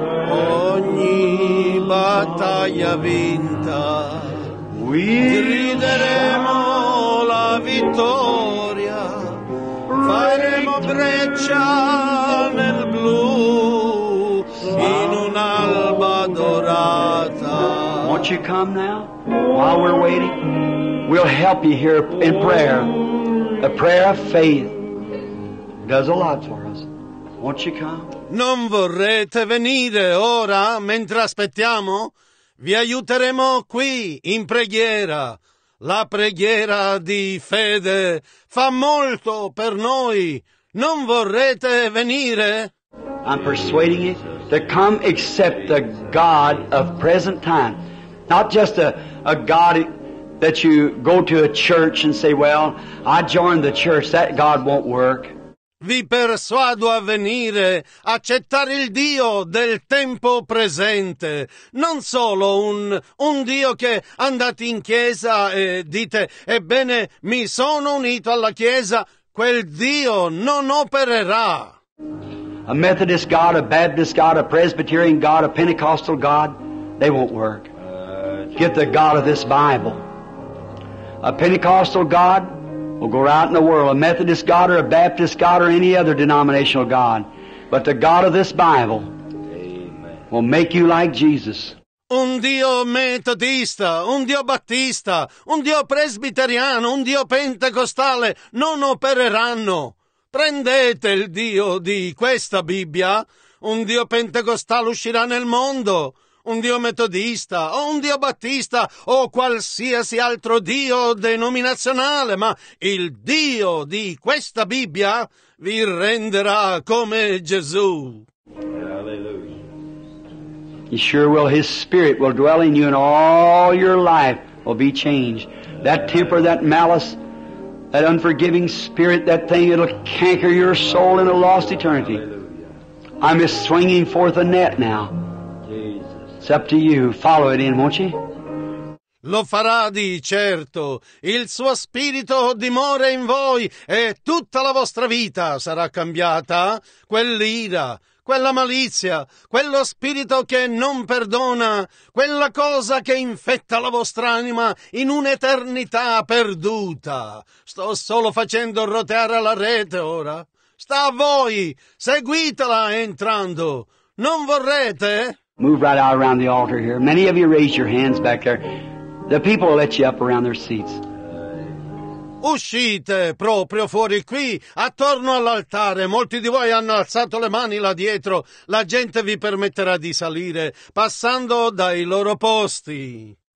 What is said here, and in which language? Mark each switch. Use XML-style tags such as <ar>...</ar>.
<it>Ogni battaglia vinta, grideremo la vittoria, faremo breccia nel blu, in un'alba dorata.</it> <en>Won't you come now, while we're waiting? We'll help you here in prayer. The prayer of faith does a lot for us. Won't you come?</en> <it>Non vorrete venire ora mentre aspettiamo? Vi aiuteremo qui in preghiera. La preghiera di fede fa molto per noi. Non vorrete venire?</it> <en>I'm persuading you to come accept the God of present time. Not just a God... that you go to a church and say, well, I joined the church, that God won't work.</en> <it>Vi persuado a venire, accettare il Dio del tempo presente, non solo un Dio che andate in chiesa e dite, ebbene, mi sono unito alla chiesa, quel Dio non opererà.</it> <en>A Methodist God, a Baptist God, a Presbyterian God, a Pentecostal God, they won't work. Get the God of this Bible. A Pentecostal God will go out in the world, a Methodist God or a Baptist God or any other denominational God, but the God of this Bible will make you like Jesus.</en> <it>Un Dio metodista, un Dio battista, un Dio presbiteriano, un Dio pentecostale non opereranno. Prendete il Dio di questa Bibbia, un Dio pentecostale uscirà nel mondo. Un Dio metodista, o un Dio battista, o qualsiasi altro Dio denominazionale, ma il Dio di questa Bibbia vi renderà come Gesù.</it> <en>Hallelujah. He sure will. His spirit will dwell in you, and all your life will be changed. That temper, that malice, that unforgiving spirit, that thing, it'll canker your soul in a lost eternity. I'm just swinging forth a net now. Jesus. It's up to you. Follow it in, won't you?</en> <it>Lo farà di certo. Il suo spirito dimora in voi e tutta la vostra vita sarà cambiata. Quell'ira, quella malizia, quello spirito che non perdona, quella cosa che infetta la vostra anima in un'eternità perduta. Sto solo facendo roteare la rete ora. Sta a voi, seguitela entrando. Non vorrete?</it> <en>Move right out around the altar here. Many of you raise your hands back there. The people will let you up around their seats.</en> <it>Uscite proprio fuori qui, attorno all'altare. Molti di voi hanno alzato le mani là dietro. La gente vi permetterà di salire, passando dai loro posti.</it>